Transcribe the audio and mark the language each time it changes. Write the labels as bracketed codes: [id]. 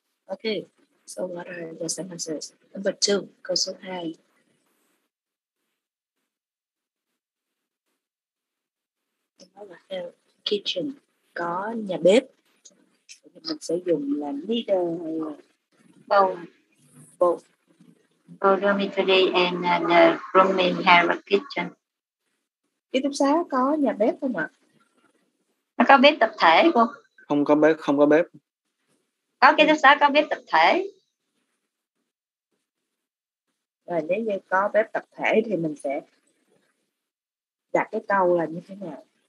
[en] Okay, so what are the sentences? Number two, [vi] câu số 2. Đó là kitchen, có nhà bếp. Mình sẽ dùng là neither hay là [en] both. Both dormitory and the room in have a kitchen. [vi] Ký túc xá có nhà bếp không ạ? Nó có bếp tập thể không? Không có bếp, không có bếp. Có ký túc xá có bếp tập thể. Rồi nếu như có bếp tập thể thì mình sẽ đặt cái câu là như thế nào?